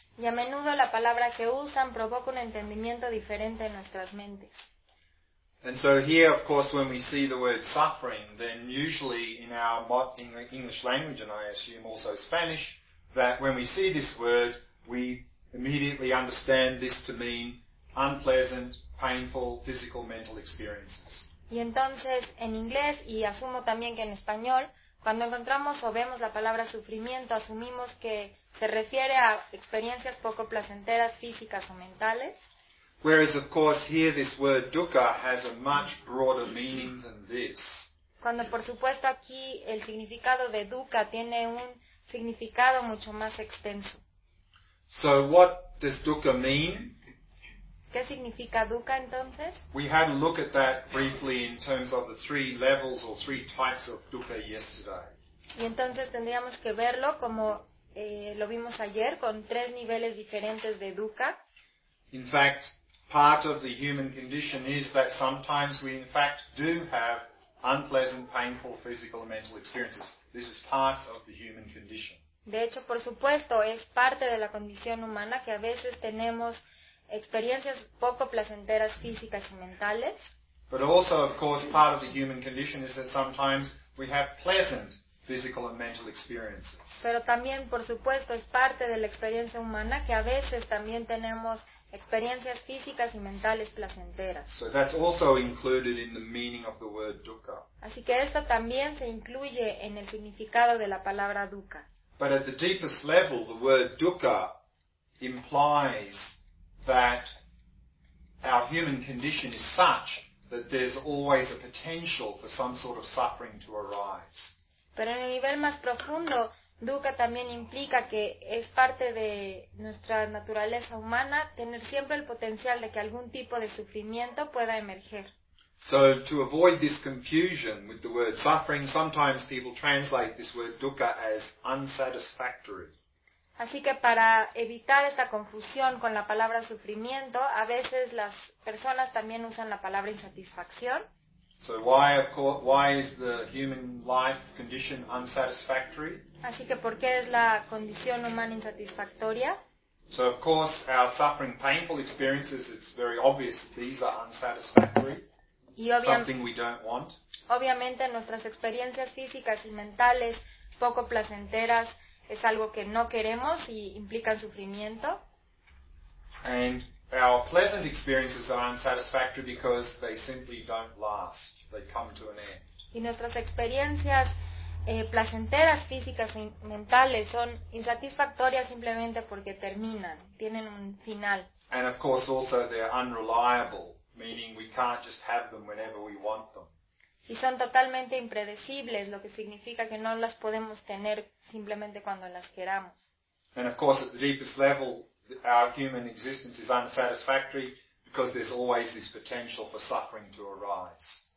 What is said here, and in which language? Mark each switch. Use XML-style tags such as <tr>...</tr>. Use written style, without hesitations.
<es>Y a menudo la palabra que usan provoca un entendimiento diferente en nuestras mentes.</es> <en>And so here, of course, when we see the word suffering, then usually in our English language, and I assume also Spanish, that when we see this word, we immediately understand this to mean unpleasant, painful, physical, mental experiences.</en> <es>Y entonces, en inglés, y asumo también que en español, cuando encontramos o vemos la palabra sufrimiento, asumimos que se refiere a experiencias poco placenteras, físicas o mentales.</es> <en>Whereas, of course, here this word dukkha has a much broader meaning than this.</en> <es>Cuando, por supuesto, aquí el significado de dukkha tiene un significado mucho más extenso.</es> <en>So what does dukkha mean?</en> <es>¿Qué significa dukkha entonces?</es> <en>We had a look at that briefly in terms of the three levels or three types of dukkha yesterday.</en> <es>Y entonces tendríamos que verlo como lo vimos ayer, con tres niveles diferentes de dukkha.</es> <en>In fact, part of the human condition is that sometimes we in fact do have unpleasant, painful physical and mental experiences. This is part of the human condition.</en> <es>De hecho, por supuesto, es parte de la condición humana que a veces tenemos experiencias poco placenteras físicas y mentales.</es> <en>But also, of course, part of the human condition is that sometimes we have pleasant physical and mental experiences.</en> <es>Pero también, por supuesto, es parte de la experiencia humana que a veces también tenemos experiencias físicas y mentales placenteras.</es> <en>So that's also included in the meaning of the word dukkha.</en> <es>Así que esto también se incluye en el significado de la palabra dukkha.</es> <en>But at the deepest level, the word dukkha implies that our human condition is such that there's always a potential for some sort of suffering to arise.</en> <es>Pero en el nivel más profundo, dukkha también implica que es parte de nuestra naturaleza humana tener siempre el potencial de que algún tipo de sufrimiento pueda emerger.</es> <en>So to avoid this confusion with the word suffering, sometimes people translate this word dukkha as unsatisfactory.</en> <es>Así que para evitar esta confusión con la palabra sufrimiento, a veces las personas también usan la palabra insatisfacción.</es> <en>So why is the human life condition unsatisfactory?</en> <es>Así que ¿por qué es la condición humana insatisfactoria?</es> <en>So of course our suffering, painful experiences, it's very obvious that these are unsatisfactory. Something we don't want.</en> <es>Obviamente nuestras experiencias físicas y mentales poco placenteras es algo que no queremos y implican sufrimiento.</es> <en>And our pleasant experiences are unsatisfactory because they simply don't last. They come to an end.</en> <es>Y nuestras experiencias placenteras físicas y mentales son insatisfactorias simplemente porque terminan, tienen un final.</es> <en>And of course also they're unreliable, meaning we can't just have them whenever we want them.</en> <es>Y son totalmente impredecibles, lo que significa que no las podemos tener simplemente cuando las queramos.</es> <en>And of course, at the deepest level, our human existence is unsatisfactory because there's always this potential for suffering to arise.</en>